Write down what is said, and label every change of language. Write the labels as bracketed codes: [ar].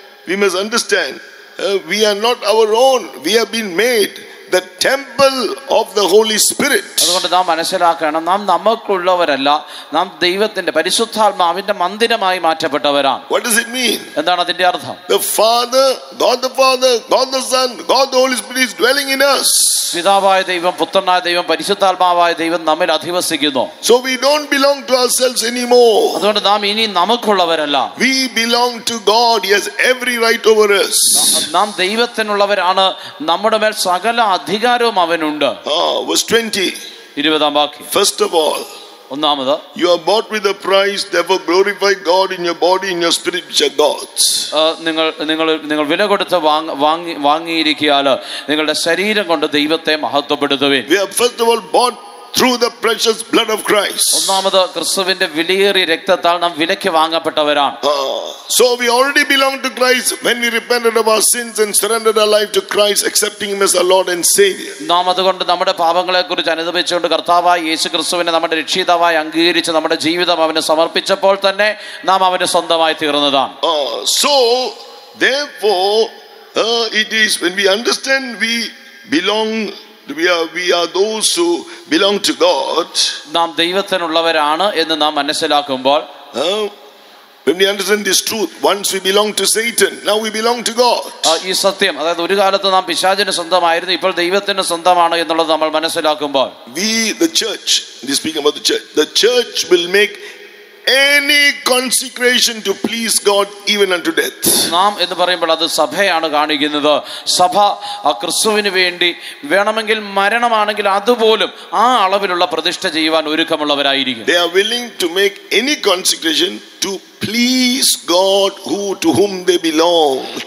[en] We must understand, we are not our own, we have been made the temple of the Holy Spirit. [ml] അതുകൊണ്ട് നാം മനസ്സിലാക്കണം, നാം നമുക്കുള്ളവരല്ല, നാം ദൈവത്തിന്റെ പരിശുദ്ധാത്മാവിന്റെ മന്ദിരമായി മാറ്റപ്പെട്ടവരാണ്. [en] What does it mean? [ml] എന്താണ് അതിന്റെ അർത്ഥം? [en] The Father, God the Father, God the Son, God the Holy Spirit is dwelling in us. [ml] പിതാവായ ദൈവം, പുത്രനായ ദൈവം, പരിശുദ്ധാത്മാവായ ദൈവം നമ്മിൽ അധിവസിക്കുന്നു. [en] So we don't belong to ourselves anymore. [ml] അതുകൊണ്ട് നാം ഇനി നമുക്കുള്ളവരല്ല. [en] We belong to God. He has every right over us. [ml] നാം ദൈവത്തിനുള്ളവരാണ്. നമ്മുടെ മേൽ സകല അധികാരവും അവനുണ്ട്. [en] Verse 20. [ml] 20-ാം വാക്യം. [en] First of all, [ml] ഒന്നാമത്, [en] you are bought with a price, therefore glorify God in your body, in your spirit, which are God's. [ml] നിങ്ങൾ നിങ്ങൾ നിങ്ങൾ വില കൊടുത്ത് വാങ്ങിയിരിക്കയാൽ നിങ്ങളുടെ ശരീരം കൊണ്ട് ദൈവത്തെ മഹത്വപ്പെടുത്തുവിൻ. [en] We are first of all bought through the precious blood of Christ. [ml] ഒന്നാമതോ ക്രിസ്തുവിന്റെ വിലയേറിയ രക്തത്താൽ നാം വിലയ്ക്ക് വാങ്ങപ്പെട്ടവരാണ്. [en] So we already belong to Christ when we repented of our sins and surrendered our life to Christ, accepting him as our Lord and Savior. [ml] നാമതുകൊണ്ട് നമ്മുടെ പാപങ്ങളെ കുറിച്ച് അനുതപിച്ചുകൊണ്ട് കർത്താവായ യേശുക്രിസ്തുവിനെ നമ്മുടെ രക്ഷിതാവായി അംഗീകരിച്ച് നമ്മുടെ ജീവിതം അവനെ സമർപ്പിച്ചപ്പോൾ തന്നെ നാം അവനെ സ്വന്തമായി തീർന്നതാണ്. [en] So therefore it is when we understand we belong, we are those who belong to God, [ml] നാം ദൈവത്തിനുള്ളവരാണ് എന്ന് നാം മനസ്സിലാക്കുമ്പോൾ, [en] when we understand this truth, once we belong to Satan, now we belong to God. [ml] ഈ സത്യം, അതായത് ഒരു കാലത്ത് നാം പിശാചിന് സ്വന്തമായിരുന്നു, ഇപ്പോൾ ദൈവത്തിന് സ്വന്തമാണ് എന്നുള്ളത് നമ്മൾ മനസ്സിലാക്കുമ്പോൾ, [en] we the church, this speaking about the church will make any consecration to please God even unto death. [ml] നാം എന്ന് പറയുമ്പോൾ അത് സഭയാണ് കാണിക്കുന്നത്. സഭ ക്രിസ്തുവിന് വേണ്ടി വേണമെങ്കിൽ മരണമാണെങ്കിൽ അതുപോലും ആ അളവിലുള്ള പ്രതിഷ്ഠ ചെയ്യുവാൻ ഒരുക്കമുള്ളവരായിരിക്കും. [en] They are willing to make any consecration to please God, to whom they belong.